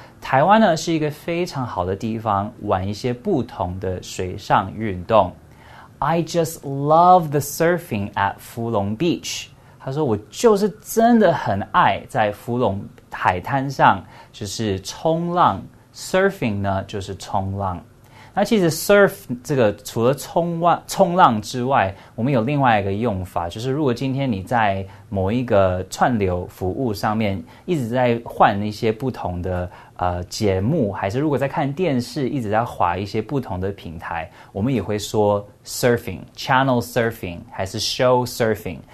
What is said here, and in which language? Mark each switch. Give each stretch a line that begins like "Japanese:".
Chinese: 台湾呢是一个非常好的地方玩一些不同的水上运动。
English: I just love the surfing at Fulong Beach.
Chinese: 他说我就是真的很爱在福隆海滩上就是冲浪。 Surfing 呢就是冲浪。那其实 surf 这个除了冲浪之外，我们有另外一个用法，就是如果今天你在某一个串流服务上面一直在换一些不同的节目，还是如果在看电视一直在滑一些不同的平台，我们也会说 surfing，
English: channel surfing
Chinese: 还是
English: show surfing。